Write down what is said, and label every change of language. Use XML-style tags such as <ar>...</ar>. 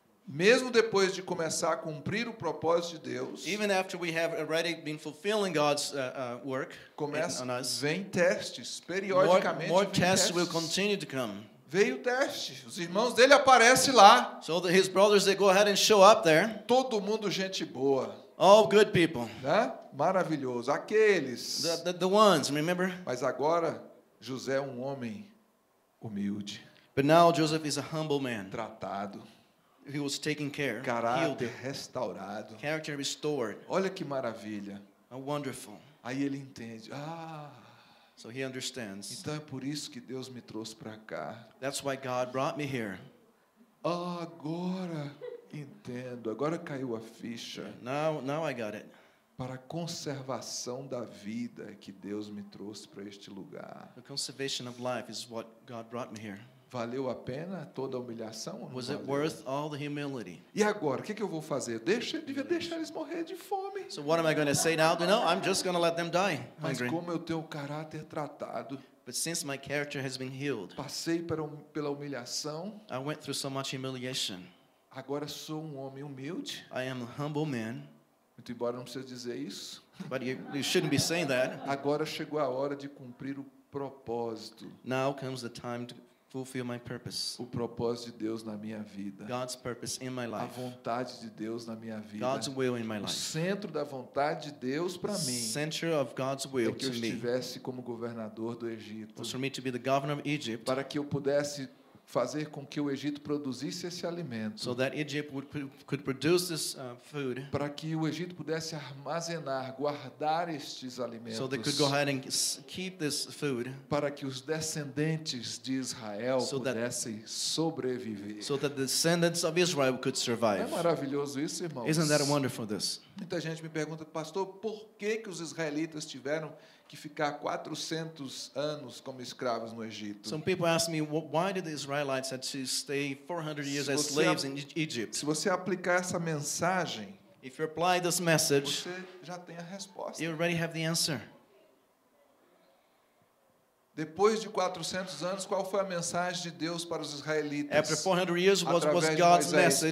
<pt>Mesmo depois de começar a cumprir o propósito de Deus,</pt> <en>even after we have already been fulfilling God's work,</en> <pt>começa</pt> <en>on us,</en> <pt>vem testes periodicamente.</pt> <en>More tests will continue to come.</en> <pt>Veio o teste. Os irmãos dele aparecem lá.</pt> <en>So his brothers, they go ahead and show up there.</en> <pt>Todo mundo gente boa.</pt> <en>All good people.</en> <pt>Né? Maravilhoso. Aqueles.</pt> <en>The ones, remember?</en> <pt>Mas agora José é um homem humilde.</pt> <en>But now Joseph is a humble man.</en> <pt>Tratado.</pt> <en>He was taken care.</en> <pt>Caráter</pt> <en>healed.</en> <pt>Restaurado.</pt> <en>Character restored.</en> <pt>Olha que maravilha.</pt> <en>A wonderful.</en> <pt>Aí ele entende. Ah.</pt> <en>So he understands.</en> <pt>Então é por isso que Deus me trouxe para cá.</pt> <en>That's why God brought me here.</en> <pt>Oh, agora entendo. Agora caiu a ficha.</pt> <en>Now I got it.</en> <pt>Para a conservação da vida que Deus me trouxe para este lugar.</pt> <en>The conservation of life is what God brought me here.</en> <pt>Valeu a pena toda a humilhação?</pt> <en>Was</en> <pt>valeu?</pt> <en>It worth all the humility?</en> <pt>E agora, o que eu vou fazer? Devia deixar eles morrer de fome.</pt> <en>So what am I going to say now? No, I'm just going to let them die.</en> <pt>Mas como eu tenho o caráter tratado?</pt> <en>But since my character has been healed.</en> <pt>Passei pela humilhação.</pt> <en>I went through so much humiliation.</en> <pt>Agora sou um homem humilde.</pt> <en>I am a humble man.</en> <pt>Muito embora não precise dizer isso.</pt> <en>But you shouldn't be saying that.</en> <pt>Agora chegou a hora de cumprir o propósito.</pt> <en>Now comes the time to fulfill my purpose.</en> <pt>O propósito de Deus na minha vida.</pt> <en>God's purpose in my life.</en> <pt>A vontade de Deus na minha vida.</pt> <en>God's will in my life.</en> <pt>O centro da vontade de Deus para mim.</pt> <en>Center of God's will to me.</en> <pt>Que eu estivesse como governador do Egito.</pt> <en>Was for me to be the governor of Egypt.</en> <pt>Para que eu pudesse fazer com que o Egito produzisse esse alimento.</pt> <en>So that Egypt would, could produce this food.</en> <pt>Para que o Egito pudesse armazenar, guardar estes alimentos.</pt> <en>So they could go ahead and keep this food.</en> <pt>Para que os descendentes de Israel pudessem sobreviver.</pt> <en>So that the descendants of Israel could survive.</en> <pt>É maravilhoso isso, irmãos.</pt> <en>Isn't that wonderful, this?</en> <pt>Muita gente me pergunta, pastor, por que que os israelitas tiveram que ficar 400 anos como escravos no Egito.</pt> <en>Some people ask me why did the Israelites have to stay 400 years as slaves in Egypt?</en> <pt>Se você aplicar essa mensagem,</pt> <en>if you apply this message,</en> <pt>você já tem a resposta.</pt> <en>You already have the answer.</en> <pt>Depois de 400 anos, qual foi a mensagem de Deus para os israelitas?</pt> <en>After 400 years, what was God's message</en>